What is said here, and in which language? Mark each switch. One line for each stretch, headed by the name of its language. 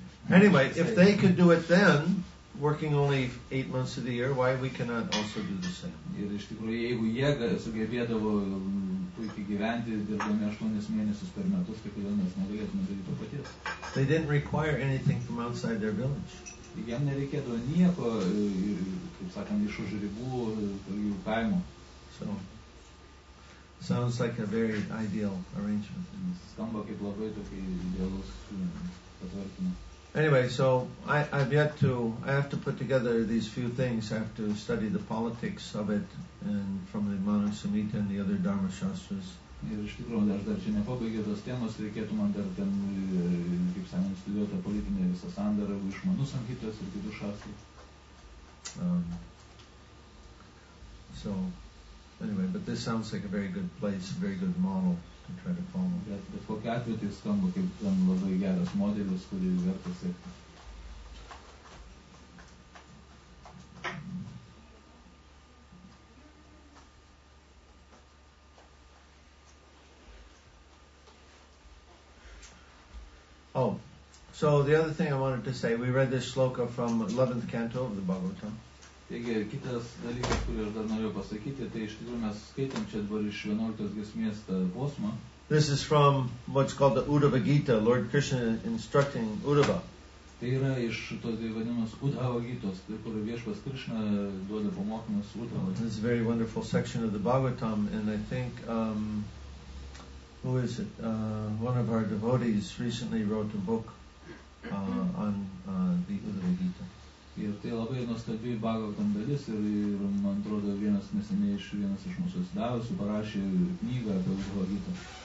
English: Anyway, if they could do it then, working only 8 months of the year, why we cannot also do the same?
Lithuanian: Ir iš tikrųjų, jeigu jie sugebėdavo puikiai gyventi, dirbdami 8 mėnesius per metus, tai kodėl mes negalėtume daryti to paties?
English: They didn't require anything from outside their village.
Lithuanian: Jam nereikėdavo nieko, kaip sakant, iš už ribų jų kaimo.
English: So, sounds like a very ideal arrangement.
Lithuanian: Skamba kaip labai tokį idealus patvarkymą.
English: Anyway, so I have to put together these few things. I have to study the politics of it and from the Manu Samhita and the other Dharma Shastras.
Lithuanian: Ir iš tikrųjų, aš dar čia nepabaigė tos temos, reikėtų man dar ten, kaip sakant, studijuoti tą politinę visą sandarą iš Manu Samhitos ir kitų šastrų.
English: So, anyway, but this sounds like a very good place, a very good model.
Lithuanian: Bet kokia atveju tai skamba kaip ten labai geras modelis, kurį verta sėkti.
English: Oh, so the other thing I wanted to say, we read this shloka from 11th canto of the Bhagavatam.
Lithuanian: Taigi, kitas dalykas, kurį aš dar norėjau pasakyti, tai iš tikrųjų mes skaitėm čia dabar iš 11 giesmės posmą.
English: This is from what's called the Uddhava Gita, Lord Krishna instructing Uddhava.
Lithuanian: Tai yra iš tos vadinamos Uddhava Gitos, kur viešpas Krishna duoda pamokymus Uddhava.
English: This is a very wonderful section of the Bhagavatam, and I think, who is it? One of our devotees recently wrote a book on the Uddhava Gita.
Lithuanian: Ir tai labai nuostabi Bhagavatam dalis ir man atrodo vienas neseniai iš vienas iš mūsų sudavusių parašė knygą apie Uddhava Gita.